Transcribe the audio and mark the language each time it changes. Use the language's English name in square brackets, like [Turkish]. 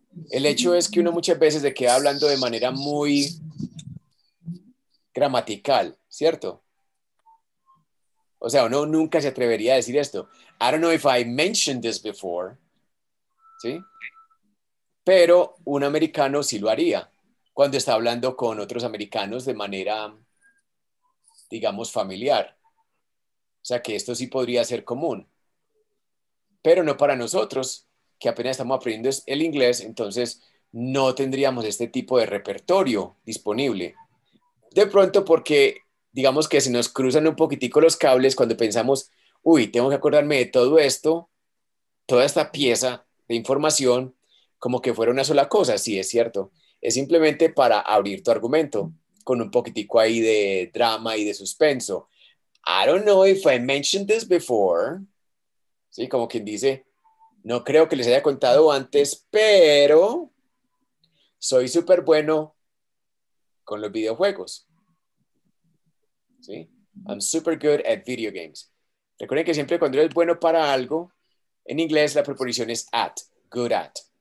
[Spanish] El hecho es que uno muchas veces se queda hablando de manera muy gramatical, ¿cierto? O sea, uno nunca se atrevería a decir esto. [English] I don't know if I mentioned this before. [Spanish] ¿Sí? Pero un americano sí lo haría cuando está hablando con otros americanos de manera, digamos, familiar. O sea, que esto sí podría ser común. Pero no para nosotros, que apenas estamos aprendiendo el inglés, entonces no tendríamos este tipo de repertorio disponible. De pronto porque, digamos que se nos cruzan un poquitico los cables cuando pensamos, uy, tengo que acordarme de todo esto, toda esta pieza de información, como que fuera una sola cosa. Sí, es cierto. Es simplemente para abrir tu argumento con un poquitico ahí de drama y de suspenso. [English] I don't know if I mentioned this before. [Spanish] Sí, como quien dice, no creo que les haya contado antes, pero soy súper bueno con los videojuegos. Sí, [English] I'm super good at video games. [Spanish] Recuerden que siempre cuando eres bueno para algo, en inglés la preposición es at, good at.